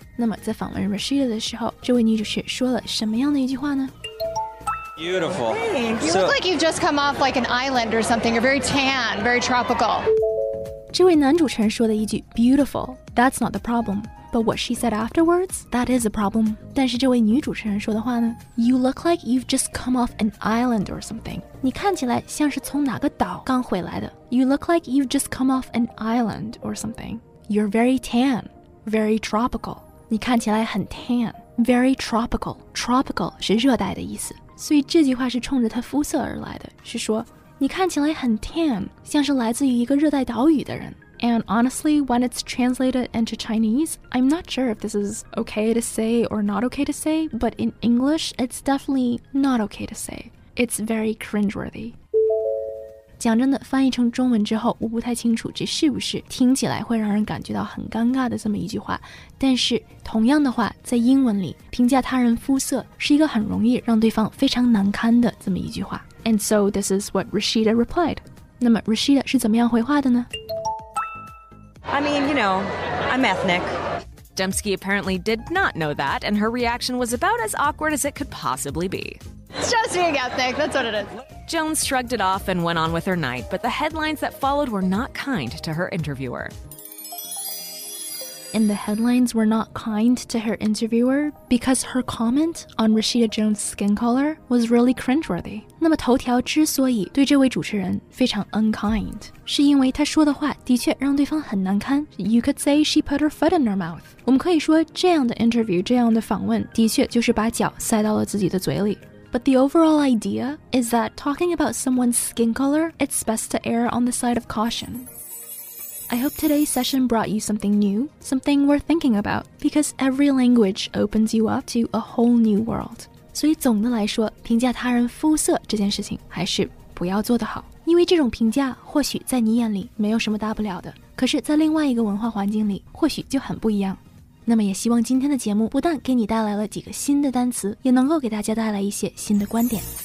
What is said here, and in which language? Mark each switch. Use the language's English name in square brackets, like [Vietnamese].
[Chinese] 那么在访问 Rashida 的时候，这位女主持说了什么样的一句话呢？ [English] Beautiful. Thanks. You look like you've just come off like an island or something. You're very tan, very tropical. [Chinese] 这位男主持人说的一句 [English] beautiful, that's not the problem. But what she said afterwards, that is a problem. [Chinese] 但是这位女主持人说的话呢？ [English] You look like you've just come off an island or something. [Chinese] 你看起来像是从哪个岛刚回来的。 [English] You look like you've just come off an island or something. You're very tan, very tropical. [Chinese] 你看起来很 tan, [English] very tropical. [Chinese] Tropical 是热带的意思，所以这句话是冲着她肤色而来的，是说你看起来很 tan, 像是来自于一个热带岛屿的人。 [English] And honestly, when it's translated into Chinese, I'm not sure if this is okay to say or not okay to say, but in English, it's definitely not okay to say. It's very cringeworthy. [Chinese] 讲真的，翻译成中文之后，我不太清楚这是不是听起来会让人感觉到很尴尬的这么一句话。但是同样的话，在英文里，评价他人肤色是一个很容易让对方非常难堪的这么一句话。 [English] And so this is what Rashida replied. [Chinese] 那么 Rashida 是怎么样回话的呢？ [English] I mean, you know, I'm ethnic. Dembski apparently did not know that, and her reaction was about as awkward as it could possibly be. It's just being ethnic, that's what it is. Jones shrugged it off and went on with her night, but the headlines that followed were not kind to her interviewer. And the headlines were not kind to her interviewer because her comment on Rashida Jones' skin color was really cringeworthy. [Chinese] 那么头条之所以对这位主持人非常 unkind, 是因为她说的话的确让对方很难堪。 [English] You could say she put her foot in her mouth. [Chinese] 我们可以说这样的 interview, 这样的访问的确就是把脚塞到了自己的嘴里。 [English] But the overall idea is that talking about someone's skin color, it's best to err on the side of caution. I hope today's session brought you something new, something worth thinking about, because every language opens you up to a whole new world. [Chinese] 所以总的来说，评价他人肤色这件事情还是不要做得好，因为这种评价或许在你眼里没有什么大不了的，可是在另外一个文化环境里或许就很不一样。那么也希望今天的节目不但给你带来了几个新的单词，也能够给大家带来一些新的观点。